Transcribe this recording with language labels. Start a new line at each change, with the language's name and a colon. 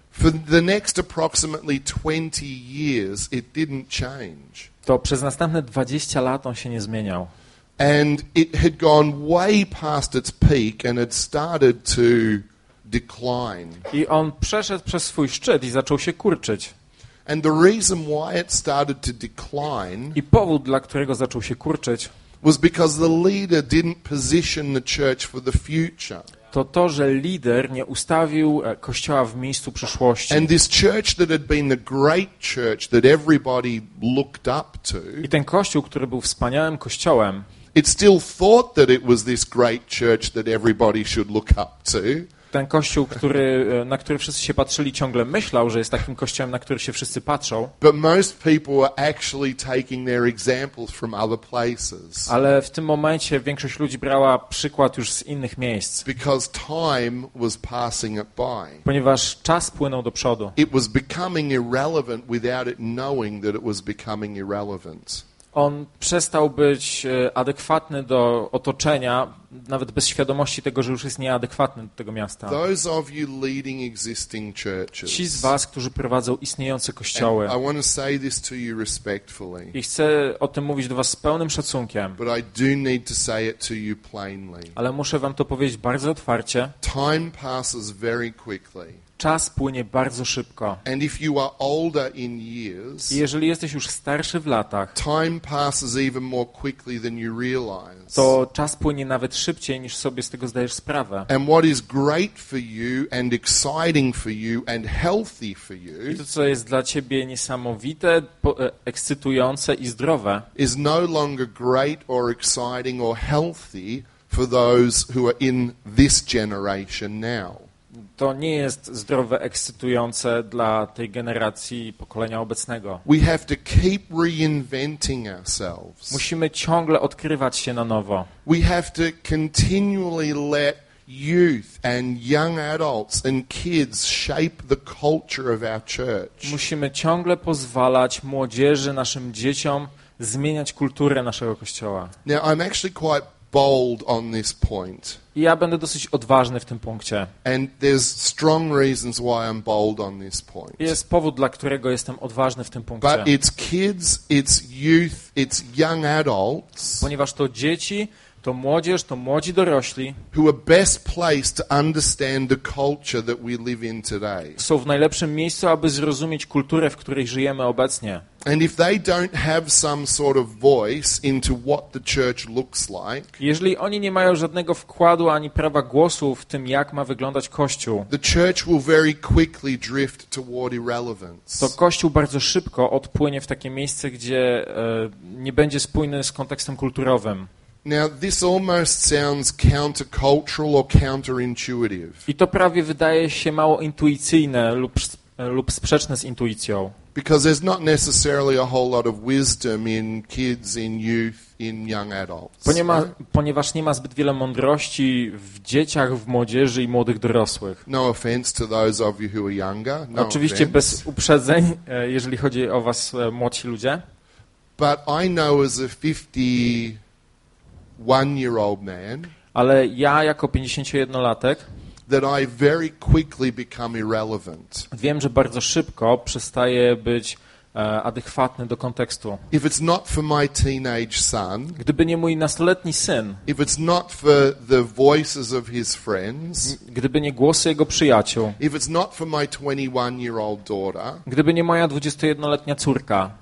English: for the next approximately 20 years it didn't change.
Polish: To przez następne 20 lat on się nie zmieniał.
English: And it had gone way past its peak and had started to decline.
Polish: I on przeszedł przez swój szczyt i zaczął się kurczyć.
English: And the reason why it started to decline,
Polish: i powód, dla którego zaczął się kurczyć,
English: was because the leader didn't position the church for the future.
Polish: To, że lider nie ustawił kościoła w miejscu przyszłości.
English: And this church that had been the great church that everybody looked up to.
Polish: I ten kościół, który był wspaniałym kościołem.
English: It still thought that it was this great church that everybody should look up to.
Polish: Ten kościół, który, na który wszyscy się patrzyli, ciągle myślał, że jest takim kościołem, na który się wszyscy patrzą.
English: But most people were actually taking their examples from other places.
Polish: Ale w tym momencie większość ludzi brała przykład już z innych miejsc.
English: Because time was passing it by.
Polish: Ponieważ czas płynął do przodu.
English: It was becoming irrelevant without it knowing that it was becoming irrelevant.
Polish: On przestał być adekwatny do otoczenia, nawet bez świadomości tego, że już jest nieadekwatny do tego miasta.
English: Those of you leading existing churches,
Polish: ci z was, którzy prowadzą istniejące kościoły,
English: I want to say this to you respectfully,
Polish: i chcę o tym mówić do was z pełnym szacunkiem,
English: but I do need to say it to you plainly.
Polish: Ale muszę wam to powiedzieć bardzo otwarcie.
English: Time passes very quickly.
Polish: czas płynie bardzo szybko.
English: And if you are older in years,
Polish: jeżeli jesteś już starszy w latach,
English: time passes even more quickly than you realize.
Polish: To czas płynie nawet szybciej, niż sobie z tego zdajesz sprawę.
English: And what is great for you and exciting for you and healthy for you,
Polish: i to, co jest dla ciebie niesamowite, ekscytujące i zdrowe,
English: is no longer great or exciting or healthy for those who are in this generation now.
Polish: To nie jest zdrowe, ekscytujące dla tej generacji pokolenia obecnego.
English: We have to keep reinventing ourselves.
Polish: Musimy ciągle odkrywać się na nowo.
English: We have to continually let youth and young adults and kids shape the culture of our church.
Polish: Musimy ciągle pozwalać młodzieży, naszym dzieciom zmieniać kulturę naszego kościoła.
English: Now I'm actually quite bold on this point.
Polish: Ja będę dosyć odważny w tym punkcie.
English: And there's strong reasons why I'm bold on this point.
Polish: Jest powód, dla którego jestem odważny w tym punkcie.
English: But it's kids, it's youth, it's young adults.
Polish: Ponieważ to dzieci, to młodzież, to młodzi dorośli,
English: who are best placed to understand the culture that we live in today.
Polish: Są w najlepszym miejscu, aby zrozumieć kulturę, w której żyjemy obecnie.
English: And if they don't have some sort of voice into what the church looks like,
Polish: jeżeli oni nie mają żadnego wkładu ani prawa głosu w tym, jak ma wyglądać kościół,
English: the church will very quickly drift toward irrelevance.
Polish: To kościół bardzo szybko odpłynie w takie miejsce, gdzie nie będzie spójny z kontekstem kulturowym.
English: Now this almost sounds countercultural or counterintuitive.
Polish: I to prawie wydaje się mało intuicyjne lub sprzeczne z intuicją.
English: Because there's not necessarily a whole lot of wisdom in kids, in youth, in young adults.
Polish: Ponieważ nie ma zbyt wiele mądrości w dzieciach, w młodzieży i młodych dorosłych.
English: No offense to those of you who are younger. No
Polish: oczywiście
English: offense.
Polish: Bez uprzedzeń, jeżeli chodzi o was młodsi ludzie.
English: But I know as a 51-year-old man,
Polish: ale ja jako 51-latek,
English: that I very quickly become irrelevant.
Polish: Wiem, że bardzo szybko przestaję być adekwatny do kontekstu.
English: If it's not for my teenage son,
Polish: gdyby nie mój nastoletni syn,
English: if it's not for the voices of his friends,
Polish: gdyby nie głosy jego przyjaciół,
English: if it's not for my 21-year-old daughter,
Polish: gdyby nie moja 21-letnia córka,